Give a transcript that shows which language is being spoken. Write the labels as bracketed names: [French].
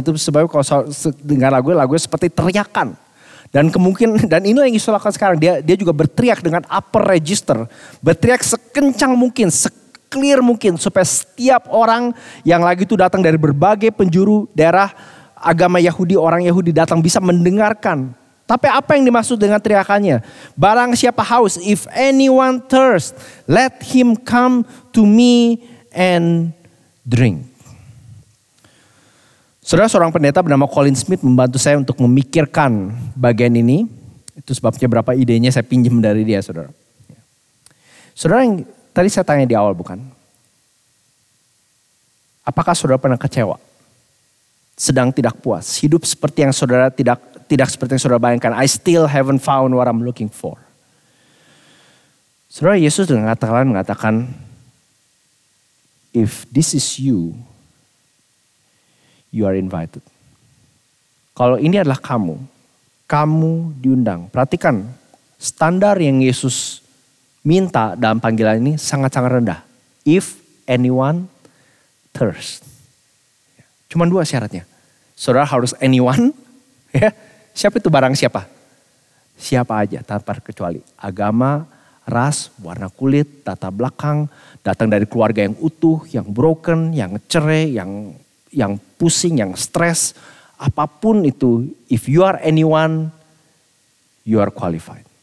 [Indonesian] Itu sebab kalau dengar lagu-lagu seperti teriakan, dan kemungkinan, dan inilah yang Yesus lakukan sekarang. Dia juga berteriak dengan upper register, berteriak sekencang mungkin, clear mungkin, supaya setiap orang yang lagi itu datang dari berbagai penjuru daerah agama Yahudi, orang Yahudi datang bisa mendengarkan. Tapi apa yang dimaksud dengan teriakannya? Barang siapa haus, [English] if anyone thirst, let him come to me and drink. [Indonesian] Saudara, seorang pendeta bernama Colin Smith membantu saya untuk memikirkan bagian ini. Itu sebabnya berapa idenya saya pinjam dari dia, saudara. Saudara yang tadi saya tanya di awal, bukan? Apakah saudara pernah kecewa? Sedang tidak puas? Hidup seperti yang saudara tidak seperti yang saudara bayangkan? [English] I still haven't found what I'm looking for. [Indonesian] Saudara, Yesus dengan kata-kata mengatakan, [English] if this is you, you are invited. [Indonesian] Kalau ini adalah kamu, kamu diundang. Perhatikan, standar yang Yesus minta dalam panggilan ini sangat-sangat rendah. [English] If anyone thirst. [Indonesian] Cuma dua syaratnya. Saudara harus anyone. Ya. Siapa itu barang siapa? Siapa aja tanpa kecuali. Agama, ras, warna kulit, latar belakang. Datang dari keluarga yang utuh, yang broken, yang cerai, yang pusing, yang stres. Apapun itu, [English] if you are anyone, you are qualified.